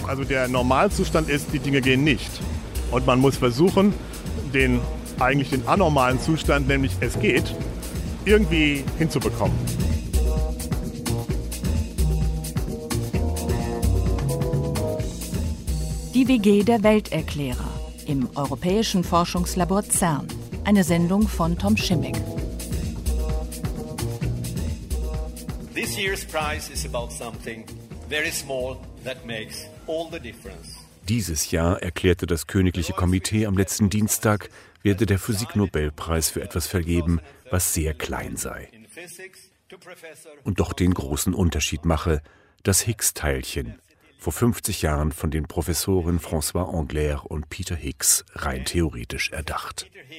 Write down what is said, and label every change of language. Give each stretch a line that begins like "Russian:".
German: Also der Normalzustand ist, die Dinge gehen nicht. Und man muss versuchen, den anormalen Zustand, nämlich es geht, irgendwie hinzubekommen. Die WG der Welterklärer im europäischen Forschungslabor CERN. Eine Sendung von Tom Schimek.
English: This year's prize is about something very small that makes all the difference.
German: Dieses Jahr, erklärte das Königliche Komitee am letzten Dienstag, werde der Physiknobelpreis für etwas vergeben, was sehr klein sei und doch den großen Unterschied mache, das Higgs-Teilchen, vor 50 Jahren von den Professoren François Englert und Peter Higgs rein theoretisch erdacht.